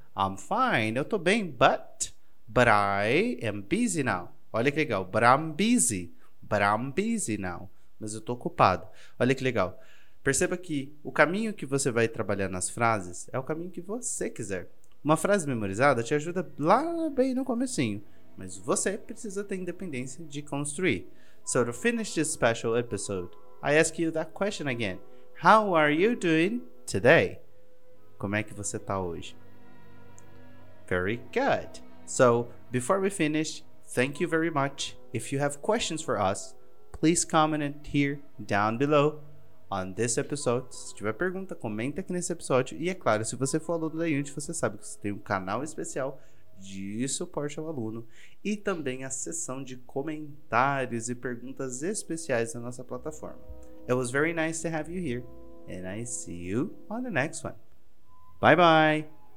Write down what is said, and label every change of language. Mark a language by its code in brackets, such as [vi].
[en] I'm fine, [pt] eu tô bem, [en] but I am busy now. [pt] Olha que legal, [en] but I'm busy now, [pt] mas eu tô ocupado. Olha que legal, perceba que o caminho que você vai trabalhar nas frases é o caminho que você quiser. Uma frase memorizada te ajuda lá bem no comecinho, mas você precisa ter independência de construir. [en] So to finish this special episode, I ask you that question again. How are you doing today? [pt] Como é que você tá hoje? [en] Very good. So, before we finish, thank you very much. If you have questions for us, please comment here down below on this episode. [pt] Se tiver pergunta, comenta aqui nesse episódio. E é claro, se você for aluno da Unity, você sabe que você tem um canal especial de suporte ao aluno e também a seção de comentários e perguntas especiais na nossa plataforma. [en] It was very nice to have you here, and I see you on the next one. Bye-bye.